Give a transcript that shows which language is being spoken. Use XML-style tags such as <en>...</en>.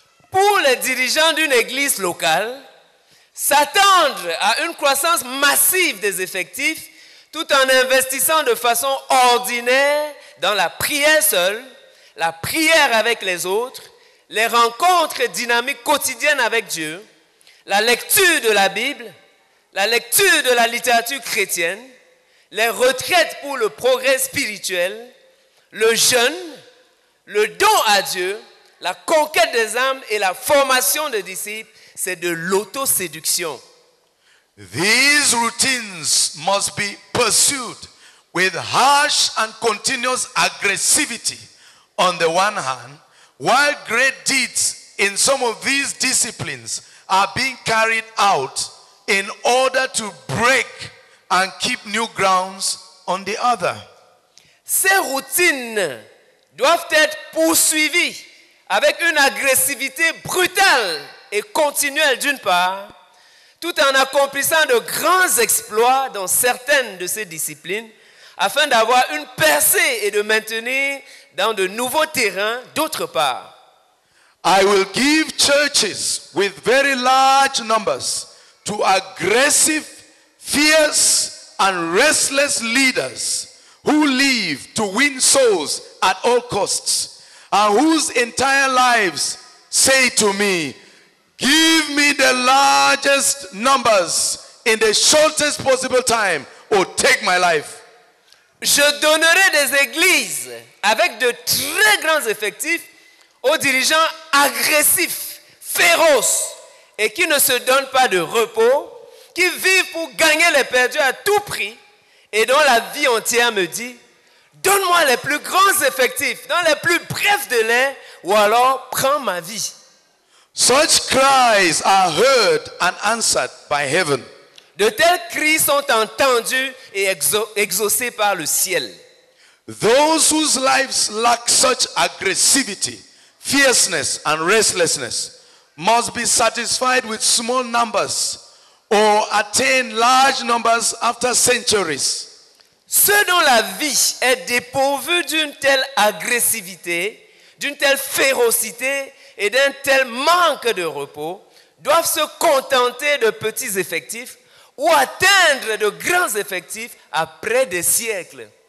<fr>Pour les dirigeants d'une église locale, s'attendre à une croissance massive des effectifs tout en investissant de façon ordinaire dans la prière seule, la prière avec les autres, les rencontres dynamiques quotidiennes avec Dieu, la lecture de la Bible, la lecture de la littérature chrétienne, les retraites pour le progrès spirituel, le jeûne, le don à Dieu, la conquête des âmes et la formation de disciples, c'est de l'autoséduction.</fr> <en>These routines must be pursued with harsh and continuous aggressivity on the one hand, while great deeds in some of these disciplines are being carried out in order to break and keep new grounds on the other.</en> <fr>Ces routines doivent être poursuivis avec une agressivité brutale et continuelle d'une part, tout en accomplissant de grands exploits dans certaines de ces disciplines, afin d'avoir une percée et de maintenir dans de nouveaux terrains d'autre part.</fr> <en>I will give churches with very large numbers to aggressive, fierce, and restless leaders who live to win souls at all costs, and whose entire lives say to me, give me the largest numbers in the shortest possible time, or take my life.</en> <fr>Je donnerai des églises avec de très grands effectifs aux dirigeants agressifs, féroces, et qui ne se donnent pas de repos, qui vivent pour gagner les perdus à tout prix, et dont la vie entière me dit, donne-moi les plus grands effectifs dans les plus brefs délais, ou alors prends ma vie.</fr> <en>Such cries are heard and answered by heaven.</en> <fr>De tels cris sont entendus et exaucés par le ciel.</fr> <en>Those whose lives lack such aggressivity, fierceness, and restlessness must be satisfied with small numbers or attain large numbers after centuries.</en> <fr>Ceux dont la vie est dépourvue d'une telle agressivité, d'une telle férocité et d'un tel manque de repos doivent se contenter de petits effectifs ou atteindre de grands effectifs après des siècles.</fr>